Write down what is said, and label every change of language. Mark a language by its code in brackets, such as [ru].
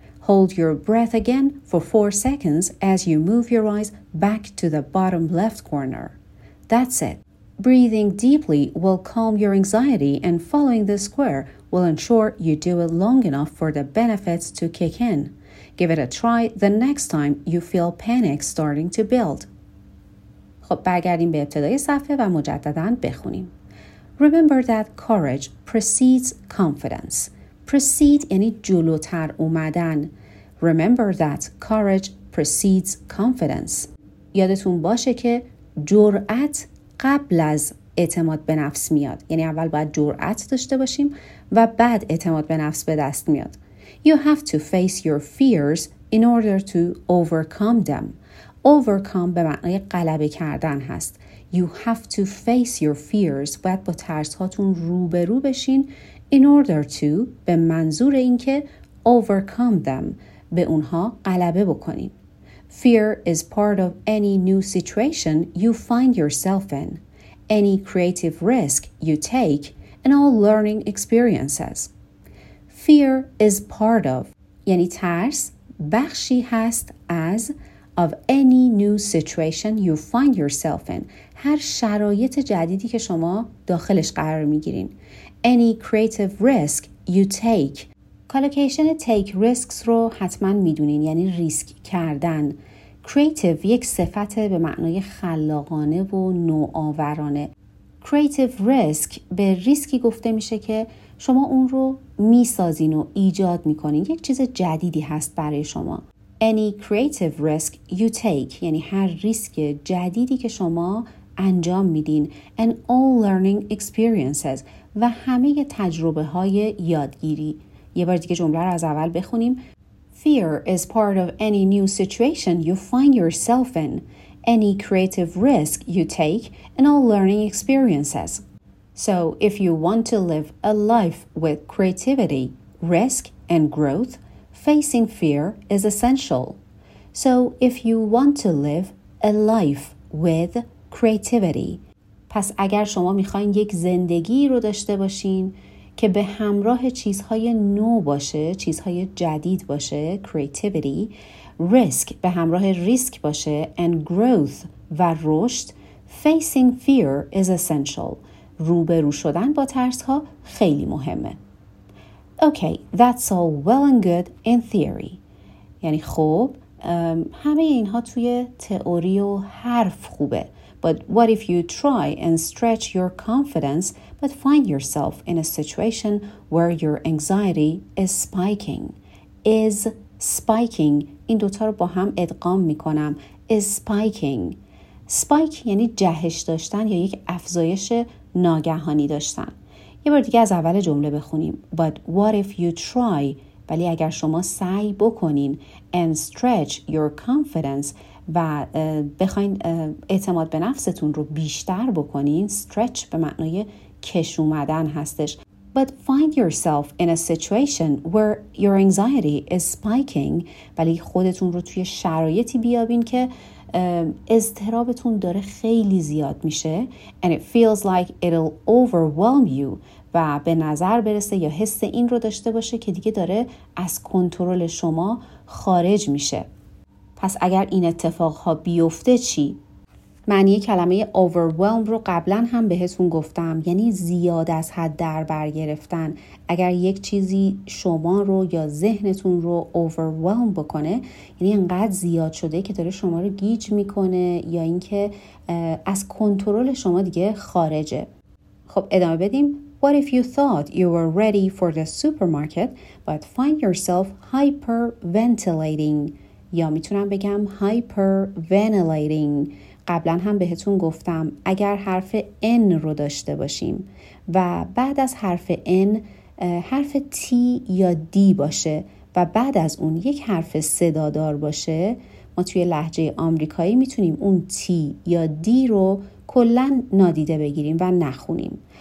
[en] Hold your breath again for 4 seconds as you move your eyes back to the bottom left corner. That's it. Breathing deeply will calm your anxiety, and following the square will ensure you do it long enough for the benefits to kick in. Give it a try the next time you feel panic starting to build. [fa] خب برگردیم به ابتدای صفحه و مجدداً بخونیم. [en] Remember that courage precedes confidence. Precede [fa] یعنی جلوتر اومدن. [en] Remember that courage precedes confidence. [fa] یادتون باشه که جرأت قبل از اعتماد به نفس میاد. یعنی اول باید جرأت داشته باشیم و بعد اعتماد به نفس به دست میاد. [en] You have to face your fears in order to overcome them. [fa] Overcome به معنی غلبه کردن هست. [en] You have to face your fears. [fa] باید با ترس هاتون روبرو بشین. [en] In order to, [fa] به منظور اینکه [en] overcome them, [fa] به اونها غلبه بکنید. [en] Fear is part of any new situation you find yourself in, any creative risk you take, and all learning experiences. Fear is part of, [fa] یعنی ترس بخشی هست از, [en] of any new situation you find yourself in, [fa] هر شرایط جدیدی که شما داخلش قرار میگیرین. [en] Any creative risk you take. [fa] Collocation take risks رو حتما میدونین، یعنی ریسک کردن. Creative یک صفت به معنای خلاقانه و نوآورانه. Creative risk به ریسکی گفته میشه که شما اون رو میسازین و ایجاد میکنین. یک چیز جدیدی هست برای شما. [en] Any creative risk you take. [fa] یعنی هر ریسک جدیدی که شما انجام میدین. [en] And all learning experiences. [fa] و همه تجربه های یادگیری. یه بار دیگه جمله رو از اول بخونیم. [en] Fear is part of any new situation you find yourself in, any creative risk you take, and all learning experiences. So if you want to live a life with creativity, risk, and growth, facing fear is essential. So if you want to live a life with creativity, [fa] پس اگر شما میخواین یک زندگی رو داشته باشین که به همراه چیزهای نو باشه، چیزهای جدید باشه، [en] creativity, risk [fa] به همراه ریسک باشه [en] and growth [fa] و رشد، [en] facing fear is essential. [fa] روبرو شدن با ترسها خیلی مهمه. [en] Okay, that's all well and good in theory. [fa] یعنی خوب، همه اینها توی تئوری و حرف خوبه. [en] But what if you try and stretch your confidence but find yourself in a situation where your anxiety is spiking? Is spiking. [fa] این دوتا رو با هم ادغام میکنم. [en] Is spiking. [fa] Spike یعنی جهش داشتن یا یک افزایش ناگهانی داشتن. یه بار دیگه از اول جمله بخونیم. [en] But what if you try؟ [fa] ولی اگر شما سعی بکنین [en] and stretch your confidence [fa] و بخواین اعتماد به نفستون رو بیشتر بکنین، stretch به معنای کش اومدن هستش. [en] But find yourself in a situation where your anxiety is spiking. [fa] ولی خودتون رو توی شرایطی بیابین که اضطرابتون داره خیلی زیاد میشه. [en] And it feels like it'll overwhelm you. [fa] و به نظر برسه یا حس این رو داشته باشه که دیگه داره از کنترل شما خارج میشه. پس اگر این اتفاقها بیفته چی؟ معنی کلمه overwhelm رو قبلا هم بهتون گفتم، یعنی زیاد از حد در بر گرفتن. اگر یک چیزی شما رو یا ذهنتون رو overwhelm بکنه، یعنی انقدر زیاد شده که داره شما رو گیج میکنه یا اینکه از کنترل شما دیگه خارجه. خب ادامه بدیم. [en] What if you thought you were ready for the supermarket but find yourself hyperventilating؟ [fa] یا میتونم بگم [en] hyperventilating. [fa] قبلا هم بهتون گفتم اگر حرف N رو داشته باشیم و بعد از حرف N حرف T یا D باشه و بعد از اون یک حرف صدادار باشه، ما توی لهجه آمریکایی میتونیم اون T یا D رو کلن نادیده بگیریم و نخونیم.